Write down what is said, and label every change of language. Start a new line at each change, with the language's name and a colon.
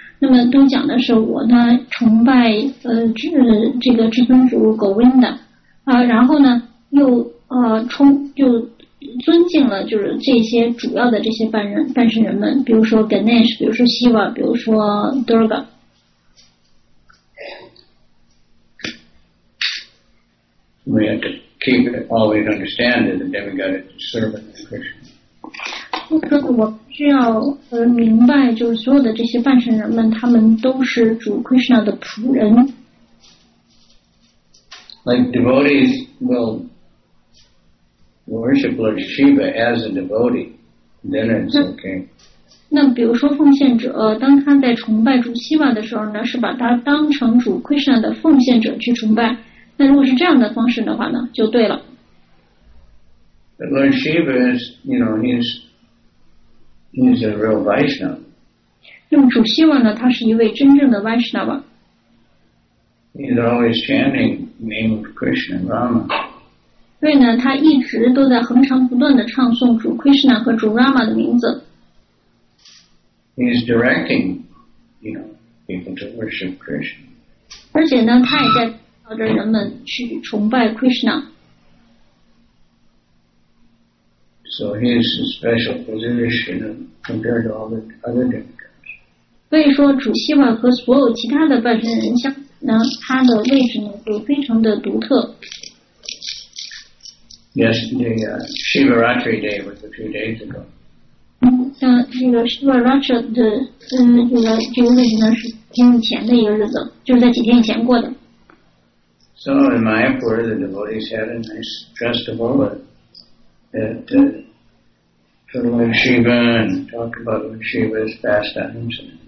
Chinese: 那么都讲的是我呢崇拜这个至尊主 Govinda 然后呢又就。尊敬了就是这些主要的这些半神人们，比如说 Ganesh, 比如说 Shiva, 比如说 Durga.
English: We have to keep it always understand that the demigod is a servant of Krishna.
Chinese: 我需要明白就是所有的这些半神人们他们都是主 Krishna 的仆人。
English: Like devotees will... Worship Lord Shiva as a devotee, then it's okay.
Chinese: 那比如说奉献者，当他在崇拜主希瓦的时候呢，是把他当成主 Krishna 的奉献者去崇拜。那如果是这样的方式的话呢，就对了。
English: But Lord Shiva is, he's a real Vaishnava.
Chinese: 那么主希瓦呢，他是一位真正的 Vaishnava.
English: He's always chanting name of Krishna and Rama.
Chinese: 所以呢，他一直都在恒常不断的唱诵主 Krishna 和主 Rama 的名字。
English: He's directing, people to worship Krishna.
Chinese: 而且呢，他也在朝的人们去崇拜 Krishna。
English: So his special position compared to all the other demigods.
Chinese: 所以说主希瓦和所有其他的半神人相呢，他的位置呢就非常的独特。
English: Yesterday, Shivaratri Day was a few days ago.
Chinese: 像这个 Shivaratri 的，这个位置呢是挺前的一个日子，就是在几天以前过的。
English: So in Mayapur, the devotees had a nice festival that sort of like Shiva and talk about when Shiva's past times.